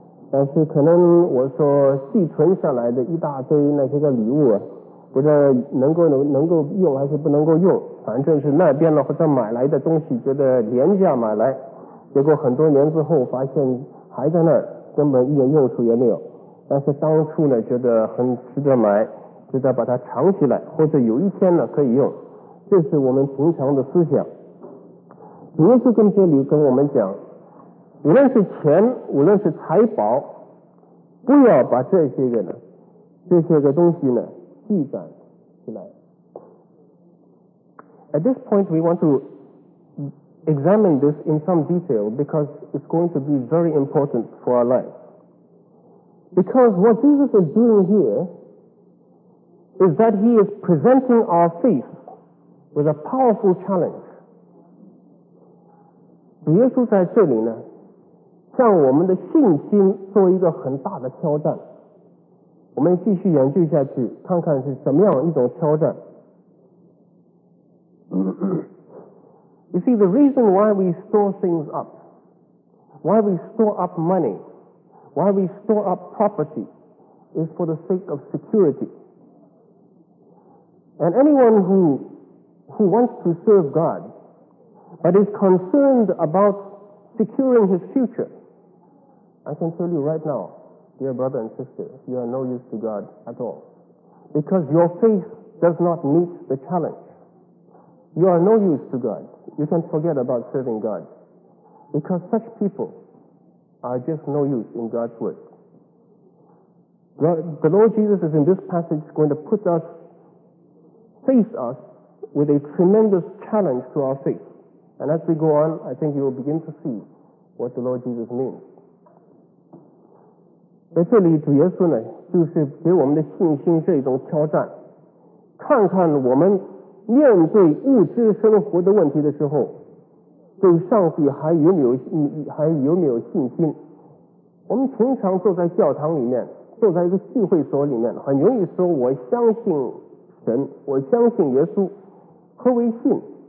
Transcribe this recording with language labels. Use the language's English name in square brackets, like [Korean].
[Chinese] 但是可能我说寄存下来的一大堆那些个礼物啊，不知道能够用还是不能够用，反正是那边了或者买来的东西觉得廉价买来，结果很多年之后发现还在那儿，根本一点用处也没有，但是当初呢觉得很值得买，值得把它藏起来，或者有一天呢可以用，这是我们平常的思想。耶稣今天你跟我们讲，无论是钱，无论是财宝，不要把这些个呢，这些个东西呢积攒起来。 [English] At this point, we want to examine this in some detail because it's going to be very important for our life. Because what Jesus is doing here is that he is presenting our faith with a powerful challenge. [Chinese] 耶稣在这里呢，向我们的信心做一个很大的挑战。我们继续研究下去，看看是什么样一种挑战。 [English] You see, the reason why we store things up, why we store up money, why we store up property, is for the sake of security. And anyone who wants to serve God, but is concerned about securing his future, I can tell you right now, dear brother and sister, you are no use to God at all. Because your faith does not meet the challenge. You are no use to God. You can forget about serving God. Because such people are just no use in God's work. The Lord Jesus is in this passage going to put us, face us with a tremendous challenge to our faith. And as we go on, I think you will begin to see what the Lord Jesus means. [Chinese] 在这里主耶稣呢，就是给我们的信心这种挑战，看看我们面对物质生活的问题的时候，对上帝还有没有信心。我们平常坐在教堂里面，坐在一个聚会所里面，很容易说我相信神，我相信耶稣，何为信？